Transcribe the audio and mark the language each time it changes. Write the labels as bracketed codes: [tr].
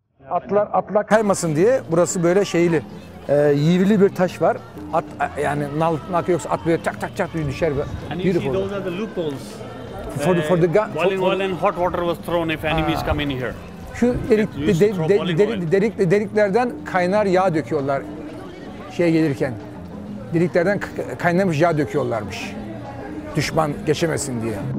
[tr] atlar atla kaymasın diye burası böyle şeyli, yivli bir taş var. At yani nal nak yoksa at böyle tak tak tak düşer. [en] And you see those are the loopholes. For the gun. Boiling oil and hot water was thrown if enemies come in here. [tr] Şu delik, deliklerden kaynar yağ döküyorlar şeye gelirken. Deliklerden kaynamış yağ döküyorlarmış. Düşman geçemesin diye.